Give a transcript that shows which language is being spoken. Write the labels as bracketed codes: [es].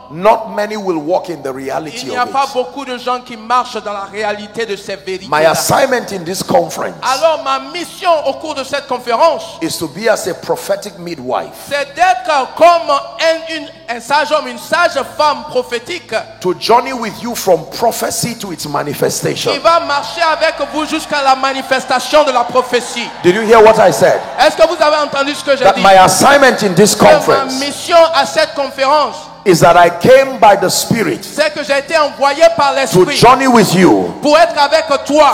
[en] not many will walk in the reality [fr] il n'y a [en] of [fr] pas [en] it. [fr] Beaucoup de gens qui marchent dans la réalité de ces vérités. [en] My assignment in this conference, [fr] alors ma mission au cours de cette conférence, [en] is to be as a prophetic midwife, [fr] c'est d'être comme un sage-homme, une sage-femme prophétique, [en] to journey with you from prophecy to its manifestation. [fr] Qui va marcher avec vous jusqu'à la manifestation de la prophétie. [en] Did you hear what I said? [fr] Est-ce que vous avez entendu ce que j'ai [en] that [fr] dit? [en] My assignment in this conference, [fr] ma mission à cette conférence, [en] is that I came by the Spirit, [fr] c'est que j'ai été envoyé par l'Esprit, [en] to journey with you, [fr] pour être avec toi,